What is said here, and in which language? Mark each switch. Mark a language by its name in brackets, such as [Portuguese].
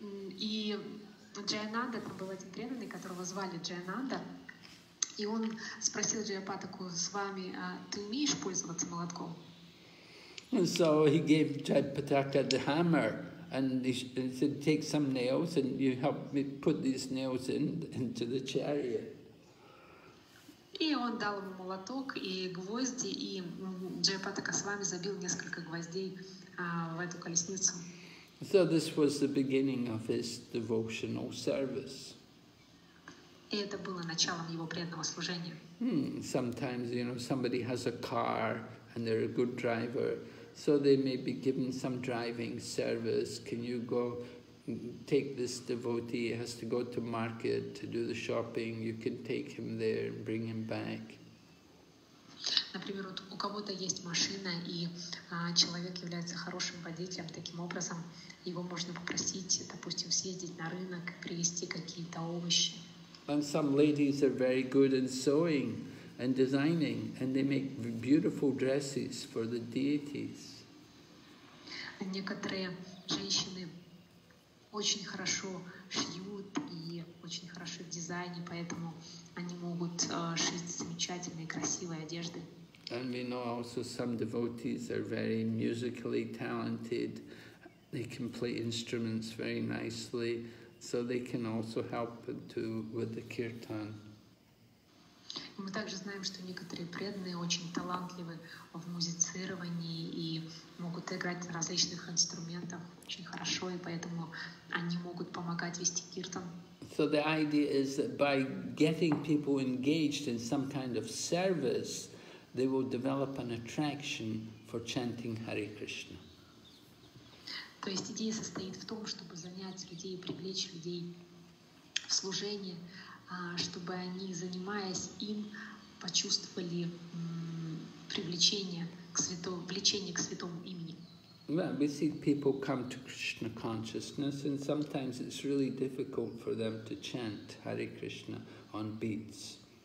[Russian] И Джайананда, там был один преданный, которого звали Джайананда, и он спросил Джайпатаку с вами, ты умеешь пользоваться молотком? [English] And so he gave Джайпатака the hammer. And he said, take some nails and you help me put these nails in into the chariot. [Russian] И он дал ему молоток и гвозди, и Джайпатака с вами забил несколько гвоздей в эту колесницу. [English] So this was the beginning of his devotional service. [Russian] И это было началом его преданного служения. [English] Sometimes, you know, somebody has a car and they're a good driver, so they may be given some driving service. Can you go take this devotee, he has to go to market to do the shopping, you can take him there and bring him back. [Russian] Например, вот у кого-то есть машина, и человек является хорошим водителем, таким образом его можно попросить, допустим, съездить на рынок, привезти какие-то овощи. [English] And some ladies are very good in sewing and designing, and they make beautiful dresses for the deities. [Russian] Некоторые женщины очень хорошо шьют и очень хорошо в дизайне, поэтому они могут шить замечательные, красивые одежды. [English] And we know also some devotees are very musically talented. They can play instruments very nicely, so they can also help with the kirtan. [Russian] Мы также знаем, что некоторые преданные очень талантливы в музицировании и могут играть на различных инструментах очень хорошо, и поэтому они могут помогать вести киртан. [English] So the idea is that by getting people engaged in some kind of service, they will develop an attraction for chanting Hare Krishna. [Russian] То есть идея состоит в том, чтобы занять людей, привлечь людей в служение, чтобы они, занимаясь им, почувствовали привлечение к святому, влечение к святому имени. [English] Well, we see people come to Krishna consciousness, and sometimes it's really difficult for them to chant Hare Krishna on beats.